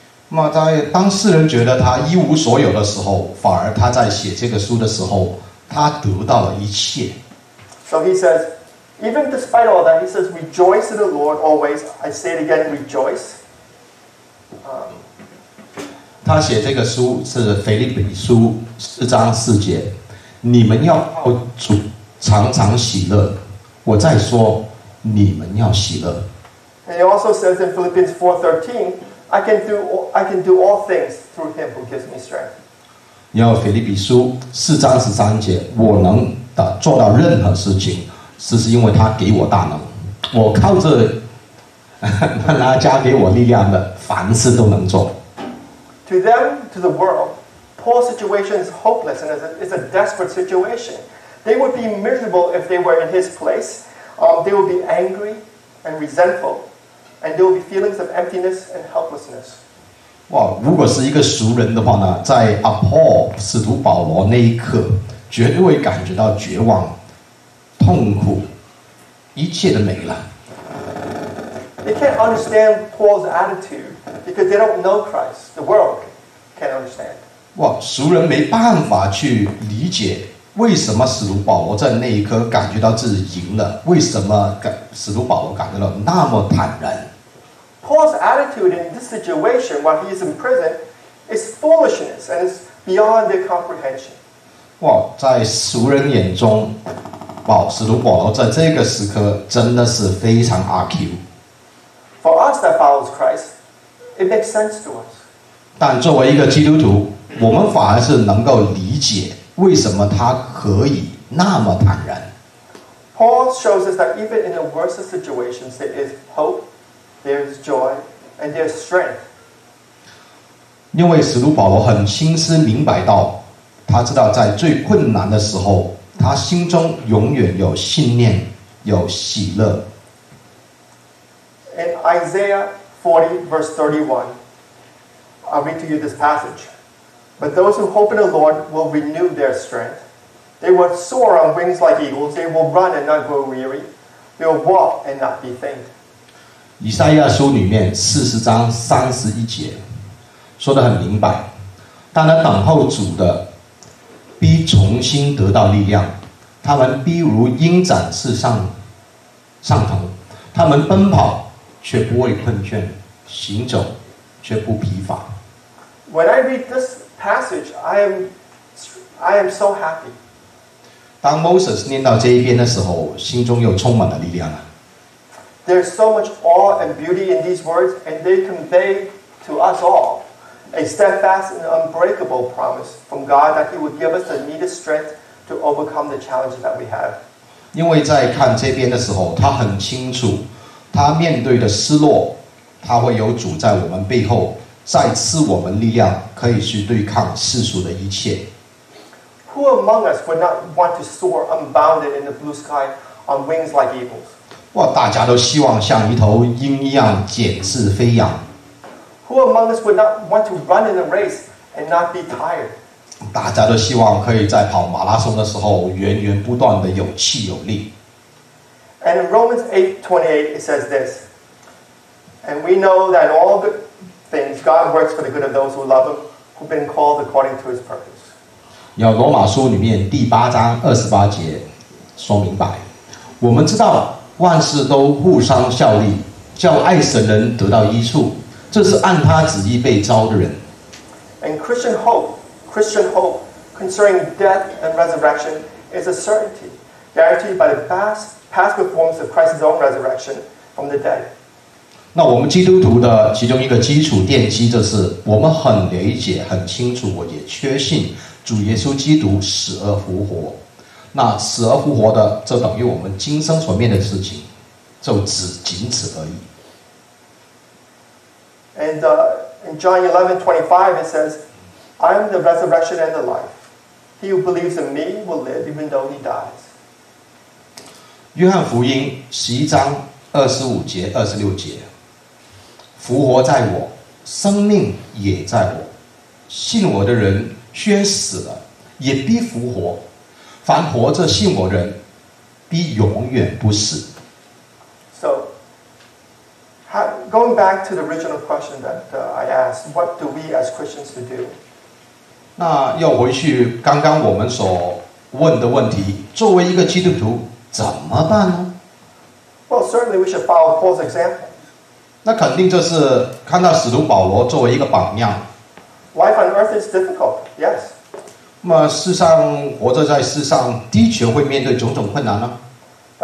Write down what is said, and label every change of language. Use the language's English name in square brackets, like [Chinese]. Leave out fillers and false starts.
[Chinese] 那在当世人觉得他一无所有的时候，反而他在写这个书的时候，他得到了一切。 [English] So he says, even despite all that, he says, rejoice in the Lord always. I say it again, rejoice. [Chinese] 他写这个书是腓立比书四章四节，你们要靠主。常常喜乐，我在说你们要喜乐。 [English] And he also says in Philippians 4:13, I can do all things through him who gives me strength. [Chinese] 然后腓立比书四章十三节，我能的做到任何事情，只是因为他给我大能。我靠着那加给我力量的，凡事都能做。 [English] To them, to the world, Paul's situation is hopeless and is a desperate situation. They would be miserable if they were in his place. They would be angry and resentful, and there would be feelings of emptiness and helplessness. [Chinese] 哇，如果是一个俗人的话呢，在阿波使徒保罗那一刻，绝对会感觉到绝望、痛苦，一切都没了。 [English] They can't understand Paul's attitude because they don't know Christ. The world can't understand. [Chinese] 哇，俗人没办法去理解为什么使徒保罗在那一刻感觉到自己赢了，为什么使徒保罗感觉到那么坦然。 [English] Paul's attitude in this situation while he is in prison is foolishness and is beyond their comprehension. [Chinese] 哇，在俗人眼中，使徒保罗在这个时刻真的是非常阿 Q。 [English] For us that follows Christ, it makes sense to us. [Chinese] 但作为一个基督徒，我们反而是能够理解为什么他可以那么坦然。 [English] Paul shows us that even in the worst of situations, there is hope. There's joy and there's strength. [Chinese] 因为使徒保罗很清晰明白到，他知道在最困难的时候，他心中永远有信念，有喜乐。 [English] In Isaiah 40, verse 31, I'll read to you this passage. But those who hope in the Lord will renew their strength. They will soar on wings like eagles. They will run and not grow weary. They will walk and not be faint. [Chinese] 以赛亚书里面四十章三十一节说得很明白，当他等候主的必重新得到力量，他们必如鹰展翅上腾，他们奔跑却不会困倦，行走却不疲乏。 [English] When I read this passage, I am so happy. [Chinese] 当 Moses 念到这一篇的时候，心中又充满了力量了。 [English] There's so much awe and beauty in these words, and they convey to us all a steadfast and unbreakable promise from God that He would give us the needed strength to overcome the challenges that we have. [Chinese] 因为在看这边的时候，他很清楚，他面对的失落，他会有主在我们背后，再赐我们力量，可以去对抗世俗的一切。 [English] Who among us would not want to soar unbounded in the blue sky on wings like eagles? [Chinese] 哇，大家都希望像一头鹰一样展翅飞扬。 [English] Who among us would not want to run in a race and not be tired? [Chinese] 大家都希望可以在跑马拉松的时候源源不断的有气有力。 [English] And in Romans 8:28 it says this, And we know that all good things God works for the good of those who love Him, who've been called according to His purpose. [Chinese] 有罗马书里面第八章二十八节说明白，我们知道万事都互相效力，叫爱神人得到益处，这是按他旨意被召的人。 [English] And Christian hope concerning death and resurrection is a certainty, guaranteed by the past performance of Christ's own resurrection from the dead. [Chinese] 那我们基督徒的其中一个基础奠基，就是我们很理解、很清楚，我也确信主耶稣基督死而复活。那死而复活的，这等于我们今生所面对的事情，就只仅此而已。 [English] And in John 11:25 it says, "I am the resurrection and the life. He who believes in me will live even though he dies." [Chinese] 约翰福音十一章二十五节、二十六节，复活在我，生命也在我。信我的人虽死了，也必复活。凡活着信我人，必永远不死。 [English] So, going back to the original question that I asked, what do we as Christians to do? [Chinese] 那要回去刚刚我们所问的问题，作为一个基督徒怎么办呢？ [English] Well, certainly we should follow Paul's example. [Chinese] 那肯定就是看到使徒保罗作为一个榜样。 [English] Life on earth is difficult, yes. [Chinese] 那么世上活着在世上的确会面对种种困难呢、啊、